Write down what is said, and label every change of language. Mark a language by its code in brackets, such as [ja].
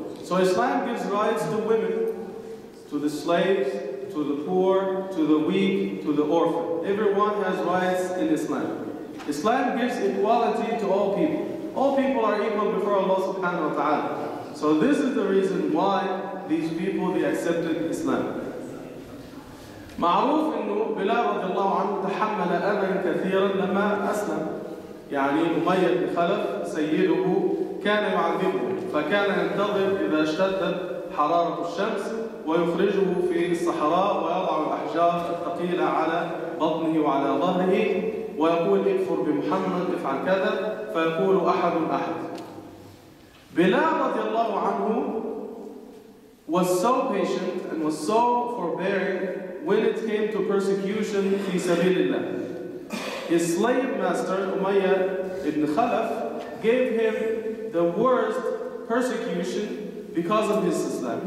[en] So Islam gives rights to women, to the slaves, to the poor, to the weak, to the orphan. Everyone has rights in Islam. Islam gives equality to all people. All people are equal before Allah subhanahu wa ta'ala. So this is the reason why these people, they accepted Islam. [ar] معروف إنه بلال رضي الله عنه تحمل أذى كثيرا لما أسلم. يعني أمية بن خلف سيده كان يعذبه، فكان ينتظر إذا اشتدت حرارة الشمس ويخرجه في الصحراء ويضع الأحجار الثقيلة على بطنه وعلى ظهره ويقول اكفر بمحمد افعل كذا فيقول احد احد. [en] Bilal [ar] رضي الله عنه [en] was so patient and was so forbearing when it came to persecution [ar] في سبيل الله. [en] His slave master Umayyah ibn Khalaf gave him the worst persecution because of his Islam.